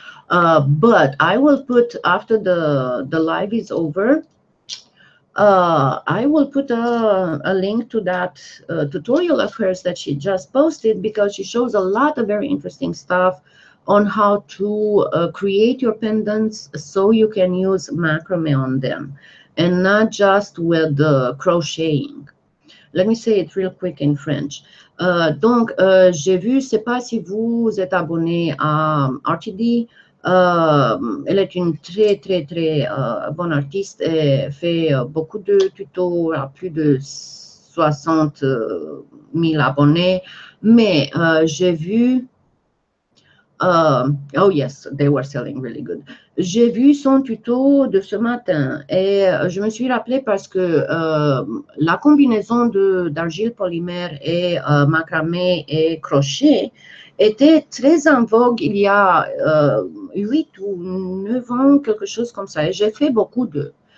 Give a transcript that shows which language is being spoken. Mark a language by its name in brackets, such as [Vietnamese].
[English] But I will put after the live is over, I will put a link to that tutorial of hers that she just posted because she shows a lot of very interesting stuff on how to create your pendants so you can use macrame on them and not just with the crocheting. Let me say it real quick in French. [French] Donc, j'ai vu, c'est pas si vous êtes abonné à Archidee. Elle est une très, très, très bonne artiste et fait beaucoup de tutos à plus de 60 000 abonnés, mais j'ai vu, [English] oh yes, they were selling really good. [French] J'ai vu son tuto de ce matin et je me suis rappelé parce que la combinaison d'argile polymère et macramé et crochet était très en vogue il y a 8 ou 9 ans, quelque chose comme ça. Et j'ai fait beaucoup d'eux.